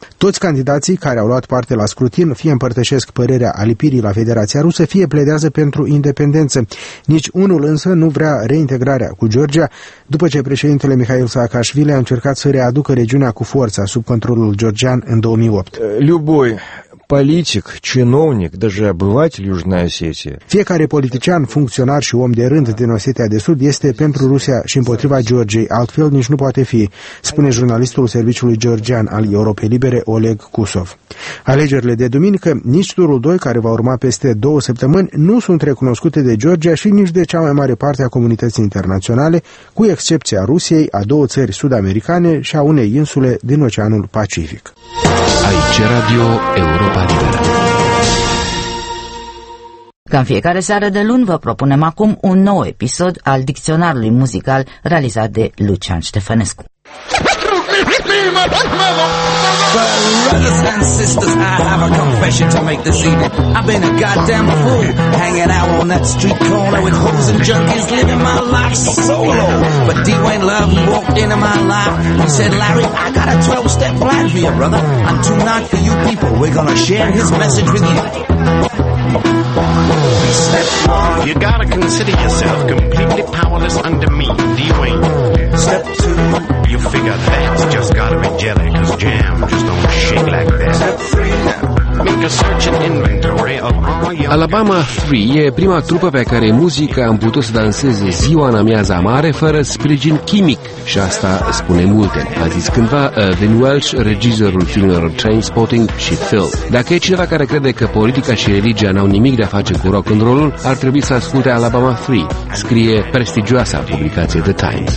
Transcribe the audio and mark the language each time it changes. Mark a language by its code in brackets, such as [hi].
[ro] Toți candidații care au luat parte la scrutin fie împărtășesc părerea alipirii la Federația Rusă, fie pledează pentru independență. Nici unul însă nu vrea reintegrarea cu Georgia, după ce președintele Mihail Saakashvili a încercat să readucă regiunea cu forța sub controlul georgian în 2008. [ru] Любой политик, чиновник, даже обыватель Южной Осетии. [ro] Fiecare politician, funcționar și om de rând din Osetia de Sud este pentru Rusia și împotriva Georgiei, altfel nici nu poate fi, spune jurnalistul serviciului georgian al Europei Libere, Oleg Kusov. Alegerile de duminică, nici turul 2, care va urma peste 2 săptămâni, nu sunt recunoscute de Georgia și nici de cea mai mare parte a comunității internaționale, cu excepția Rusiei, a 2 țări sud-americane și a 1 insule din Oceanul Pacific. Aici Radio Europa Liberă. Cam fiecare seară de luni vă propunem acum un nou episod al dicționarului muzical realizat de Lucian Ștefănescu. [en] Brothers and sisters, I have a confession to make this evening. I've been a goddamn fool, hanging out on that street corner with hoes and junkies, living my life solo. But Dwayne Love walked into my life. He said, Larry, I got a 12-step plan for you, brother. I'm too nice for you people. We're gonna share his message with you. Step one, you gotta consider yourself completely powerless under me, Dwayne. Step two, you figure that's just gotta be jelly, cause jam just don't shake like that. Step three, make a search and inventory of all your... [ro] Alabama 3 e prima trupă pe care muzica am putut să danseze ziua în amiaza mare fără sprijin chimic. Și asta spune multe, a zis cândva Vin Welsh, regizorul filmelor Trainspotting și Phil. Dacă e cineva care crede că politica și religia n-au nimic de a face cu rock and roll-ul, ar trebui să asculte Alabama 3, scrie prestigioasa publicație The Times.